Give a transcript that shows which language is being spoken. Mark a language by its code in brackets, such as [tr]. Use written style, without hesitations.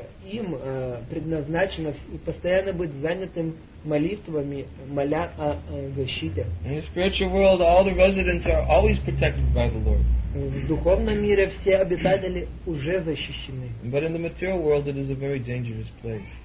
[ru] Им предназначено постоянно быть занятым молитвами, моля о защите. [en] In the spiritual world, all the residents are always protected by the Lord. [ru] В духовном мире все обитатели уже защищены. [en] But in the material world, it is a very dangerous place.